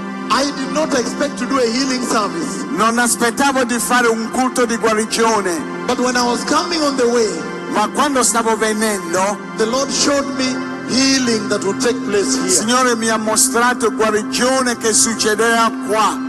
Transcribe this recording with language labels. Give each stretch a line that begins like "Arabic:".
English: I did not expect to do a healing service.
Italian: Non aspettavo di fare un culto di guarigione.
English: But when I was coming on the way,
Italian: ma quando stavo venendo,
English: the Lord showed me healing that would take place here.
Italian: Signore mi ha mostrato guarigione che succederà qua.